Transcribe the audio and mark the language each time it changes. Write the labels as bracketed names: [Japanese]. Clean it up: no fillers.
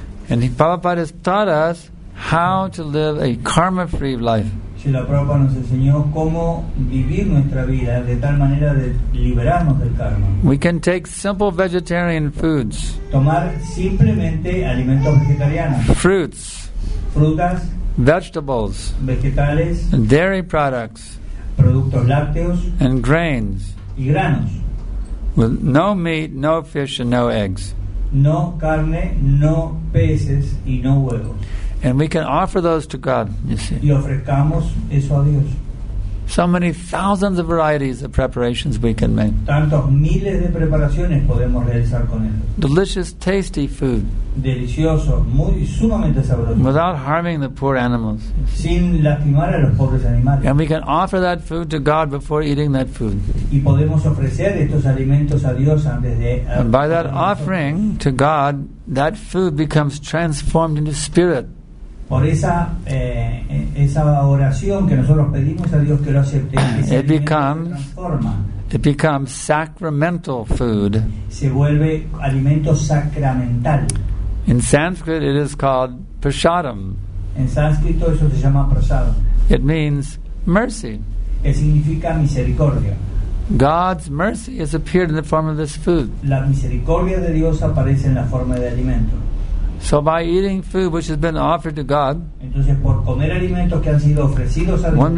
[English] And Prabhupada has taught us how to live a karma-free life. [Spanish] Srila Prabhupada nos enseñó cómo vivir nuestra vida de tal manera de liberarnos del karma. [English] We can take simple vegetarian foods. [Spanish] Tomar simplemente alimentos vegetarianos. [English] Fruits. [Spanish] Frutas. [English] Vegetables. [Spanish] Vegetales. [English] Dairy products. [Spanish] Productos lácteos. [English] And grains. [Spanish] Y granos. [English] With no meat, no fish, and no eggs. [Spanish] No carne, no peces y no huevos. [English] And we can offer those to God, you see. [Spanish] Y ofrezcamos eso a Dios. [English] So many thousands of varieties of preparations we can make. [Spanish] Tantos miles de preparaciones podemos realizar con él. [English] Delicious, tasty food. [Spanish] Delicioso, muy sumamente sabroso. [English] Without harming the poor animals. [Spanish] Sin lastimar a los pobres animales. [English] And we can offer that food to God before eating that food. [Spanish] Y podemos ofrecer estos alimentos a Dios antes de. [English] And by that offering to God, that food becomes transformed into spirit. [Spanish] Por esa oración que nosotros pedimos a Dios que lo acepte, [English] it becomes It becomes sacramental food. [Spanish] Se vuelve alimento sacramental. [English] In Sanskrit, it is called prasadam. [Spanish] En sánscrito eso se llama prasadam. [English] It means mercy. [Spanish] Que significa misericordia. [English] God's mercy has appeared in the form of this food. [Spanish] La misericordia de Dios aparece en la forma de alimento. [English] So by eating food which has been offered to God, [Spanish] entonces por comer alimentos que han sido ofrecidos a Dios,